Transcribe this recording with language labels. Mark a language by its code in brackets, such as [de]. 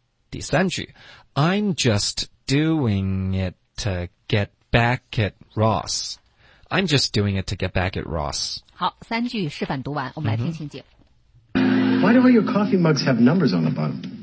[zh] 第三句 [en] I'm just doing it to get back at Ross. I'm just doing it to get back at Ross. [zh] 好，三句示范读完，我们来听情景。 [en] Why do all your coffee mugs have numbers on the bottom?